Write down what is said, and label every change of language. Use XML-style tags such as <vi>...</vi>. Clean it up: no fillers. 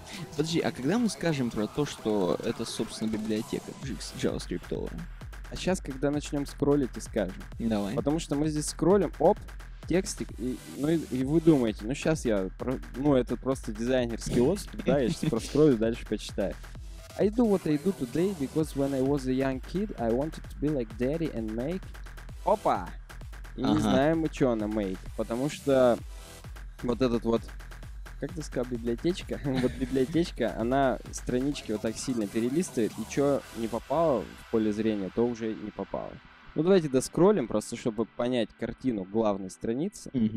<ru>Подожди, а когда мы скажем про то, что это, собственно, библиотека JavaScript-овая? А сейчас, когда начнем скроллить и скажем. Давай. Потому что мы здесь скроллим, оп! Текстик, и, ну и вы думаете, ну сейчас я, про, ну это просто дизайнерский отступ, да, я сейчас проскрою, дальше почитаю.</ru> <en>I do what I do today, because when I was a young kid, I wanted to be like daddy and make...</en> <ru>Опа! И не знаем мы, что она make, потому что вот этот вот, как ты сказал, библиотечка? Вот библиотечка, она странички вот так сильно перелистывает, и что не попало в поле зрения, то уже не попало. Ну, давайте доскроллим, просто чтобы понять картину главной страницы.</ru>